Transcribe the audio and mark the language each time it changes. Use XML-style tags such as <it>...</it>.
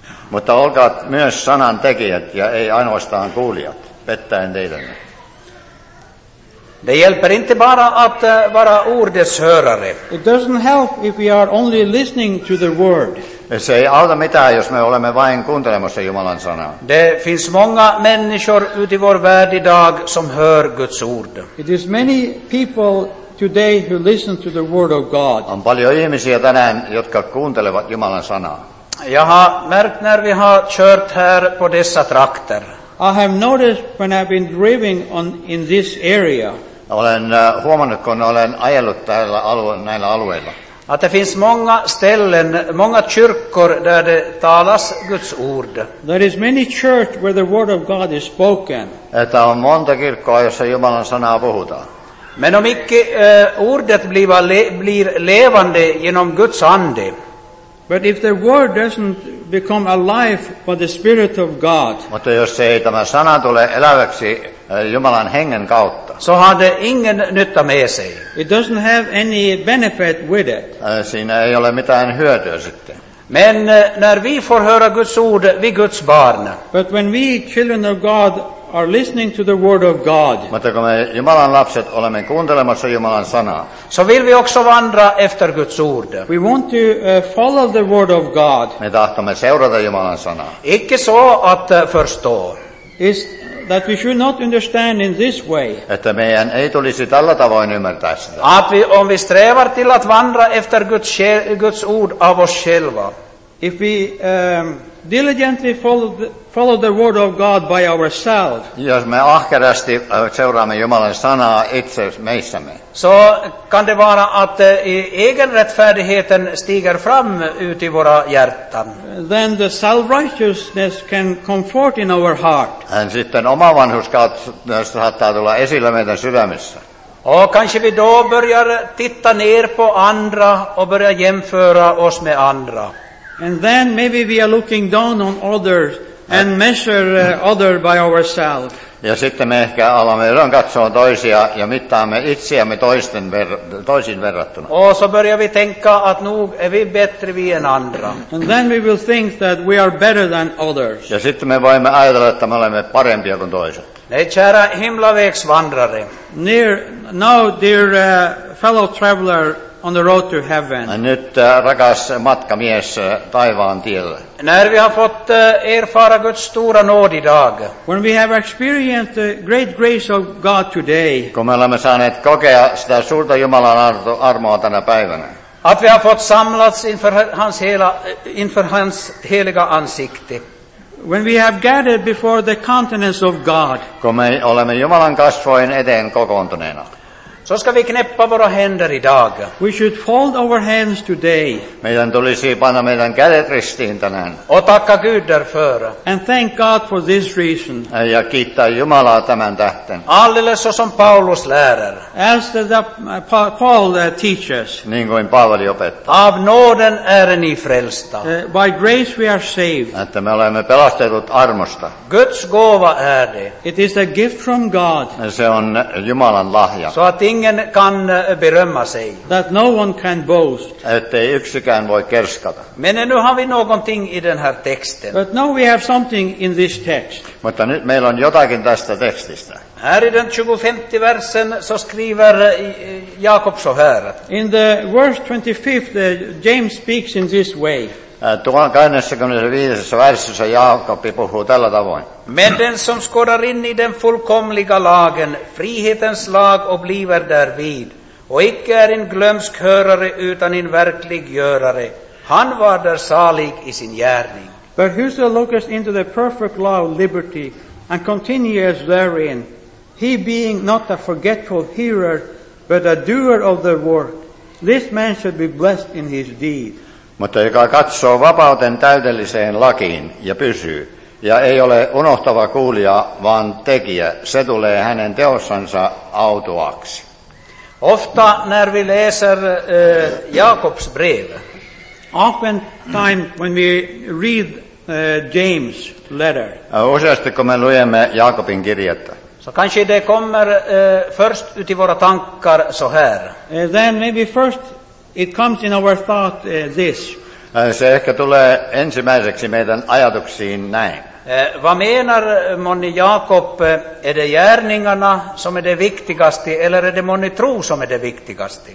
<fi>Mutta olkaat myös sanan tekijät ja ei ainoastaan kuulijat, pettäen teidän.</fi> <sv>Det hjälper inte bara att vara ordets hörare.</sv> <en>It doesn't help if we are only listening to the word.</en> <fi>Se ei auta mitään, jos me olemme vain kuuntelemassa Jumalan sanaa.</fi> <sv>Det finns många människor ute i vår värld idag som hör Guds ord.</sv> <en>It is many people today who listen to the word of God.</en> <fi>On paljon ihmisiä tänään, jotka kuuntelevat Jumalan sanaa.</fi> <sv>Jag har märkt när vi har kört här på dessa trakter.</sv> <en>I have noticed when I've been driving on in this area.</en> <fi>Olen huomannut, kun olen ajellut näillä alueilla.</fi> <sv>Att det finns många ställen, många kyrkor där det talas Guds ord.</sv> <en>There is many church where the word of God is spoken.</en> <fi>Että on monta kirkkoa, jossa Jumalan sanaa puhutaan.</fi> <sv>Men om icke ordet blir levande genom Guds ande.</sv> <en>But if the word doesn't become alive by the Spirit of God.</en> <fi>Mutta jos ei tämä sana tule eläväksi Jumalan hengen kautta.</fi> <sv>So har det ingen nytta med sig.</sv> <en>It doesn't have any benefit with it.</en> <fi>Siinä ei ole mitään hyötyä sitten.</fi> <sv>Men när vi får höra Guds ord, vi Guds barn.</sv> <en>But when we children of God are listening to the word of God.</en> <fi>Mutta kun me Jumalan lapset olemme kuuntelemassa Jumalan sanaa.</fi> <sv>So will we också vandra efter Guds ord.</sv> <en>We want to follow the word of God.</en> <fi>Me tahtomme seurata Jumalan sanaa.</fi> <sv>Ikke så att förstå.</sv> <en>Is that we should not understand in this way.</en> <fi>Että meidän ei tulisi tällä tavoin ymmärtää sitä.</fi> <sv>Att vi, om vi strävar till att vandra efter Guds ord av oss själva.</sv> <en>If we diligently follow the word of God by ourselves.</en> <fi>Jos me ahkerasti seuraamme Jumalan sanaa itse meissämme.</fi> <sv>Så kan det vara att egen rättfärdigheten stiger fram ut i våra hjärtan.</sv> <en>Then the self-righteousness can comfort in our heart.</en> <fi>And sitten oma vanhurskaus saattaa tulla esille meidän sydämessä.</fi> <sv>Och kanske vi då börjar titta ner på andra och börjar jämföra oss med andra.</sv> <en>And then maybe we are looking down on others and measure other by ourselves.</en> <fi>Ja sitten me ehkä alamme ylön katsoa toisia ja mittaamme itseämme toisin verrattuna.</fi> <sv>Och så börjar vi tänka att nog är vi bättre vi än andra.</sv> <en>And then we will think that we are better than others.</en> <fi>Ja sitten me voimme ajatella, että me olemme parempia kuin toiset.</fi> <sv>Nej, kära himlavägsvandrare.</sv> <en>Now, dear fellow traveler on the road to heaven.</en> <fi>Ja nyt, rakas matkamies taivaan tiellä.</fi> <sv>När vi har fått erfara Guds stora nåd idag.</sv> <en>When we have experienced the great grace of God today.</en> <fi>Kun me olemme saaneet kokea sitä suurta Jumalan armoa tänä päivänä.</fi> <sv>Att vi har fått samlats inför hans heliga ansikte.</sv> <en>When we have gathered before the countenance of God.</en> <fi>Kun me olemme Jumalan kasvojen eteen kokoontuneena.</fi> <sv>Så ska vi knäppa våra händer idag.</sv> <en>We should fold our hands today.</en> <fi>Meidän tulisi panna meidän kädet ristiin tänään.</fi> <sv>Och tacka Gud därför.</sv> <en>And thank God for this reason.</en> <fi>Ja kiittää Jumalaa tämän tähden.</fi> <sv>Alleles så som Paulus lärer.</sv> <en>As the Paul teaches.</en> <fi>Niin kuin Paavali opettaa.</fi> <sv>Av nåden är ni frälsta.</sv> <en>By grace we are saved.</en> <fi>Että me olemme pelastetut armosta.</fi> <sv>Guds gåva är det.</sv> <en>It is a gift from God.</en> <fi>Se on Jumalan lahja.</fi> <sv>So ingen kan berömma sig.</sv> <en>That no one can boast.</en> <fi>Ettei yksikään voi kerskata.</fi> <sv>Men nu har vi någonting i den här texten.</sv> <en>But now we have something in this text.</en> <fi>Mutta nyt meillä on jotakin tästä tekstistä.</fi> <sv>Här i den 25 versen så skriver Jakob så här.</sv> <en>In the verse 25 James speaks in this way.</en> <fi>Tuon 25 versessä Jaakob puhuu tällä tavoin.</fi> <sv>Men den som skådar in i den fullkomliga lagen, frihetens lag och blir därvid, och icke är en glömsk hörare utan en verklig görare, han var där salig i sin gärning.</sv> <en>But whoso looketh into the perfect law of liberty and continueth therein, he being not a forgetful hearer, but a doer of the work, this man should be blessed in his deed.</en> <fi>Mutta joka katsoo vapauten täydelliseen lakiin ja pysyy, ja ei ole unohtava kuulija, vaan tekijä, se tulee hänen teossansa autuaksi.</fi> <sv>Ofta när vi läser Jakobs brev.</sv> <en>Often time when we read James' letter.</en> <fi>Useasti kun me luemme Jakobin kirjettä.</fi> <sv>Så kanske det kommer först ut i våra tankar så här.</sv> <en>Then maybe first it comes in our thought this.</en> <fi>Se ehkä tulee ensimmäiseksi meidän ajatuksiin näin.</fi> <sv>Vad menar moni Jakob, är det gärningarna som är det viktigaste eller är det moni tro som är det viktigaste?</sv>